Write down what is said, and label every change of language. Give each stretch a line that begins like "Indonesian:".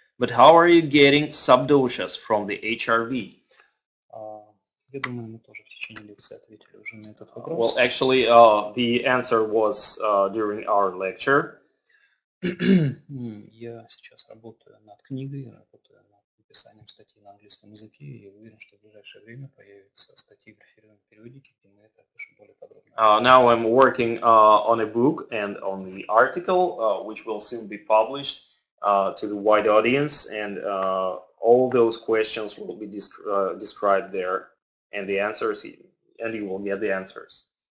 English: But how are you getting subdoshas from the HRV?
Russian: Я думаю, мы тоже в течение лекции ответили уже на этот вопрос.
English: Well, actually, the answer was during our lecture.
Russian: Я сейчас работаю над книгой, работаю над написанием статьи на английском языке, и уверен, что в ближайшее время появятся статьи в реферированной периодике, где мы это опишем более подробно.
English: Now I'm working on a book and on the article, which will soon be published to the wide audience, and all those questions will be described there. And the answers, and you will get the answers.